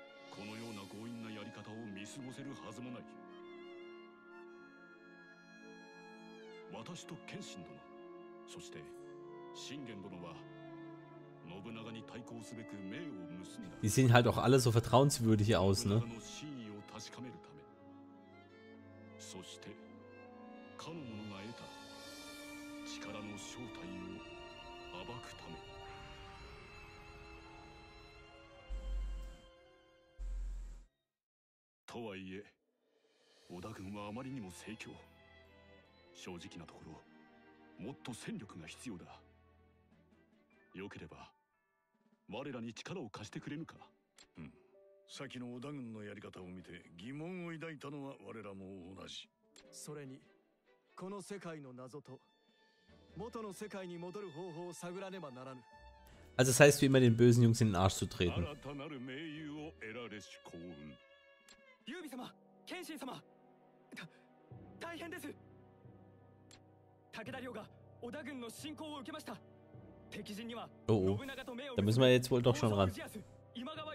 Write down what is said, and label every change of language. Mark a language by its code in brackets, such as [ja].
[ja] このような強引なやり方を見過ごせるはずもない。私と謙信殿、そして信玄殿は信長に対抗すべく盟を結んだ。 [de] Die sehen halt auch alle so vertrauenswürdig aus, ne? [ja] 信長の真意を確かめるため。そして、彼の者が得た力の正体を暴くため。とはいえ、織田軍はあまりにも盛況。正直なところ、もっと戦力が必要だ。よければ、我らに力を貸してくれぬか。先の織田軍のやり方を見て疑問を抱いたのは我らも同じ。それに、この世界の謎と元の世界に戻る方法を探らねばならぬ。 [de] Also das heißt, wie immer den bösen Jungs in den Arsch zu treten. [ja] 新たなる盟友を得られし幸運。劉備様、謙信様、大変です。武田領が織田軍の侵攻を受けました。敵陣には信長と目を向けて、今川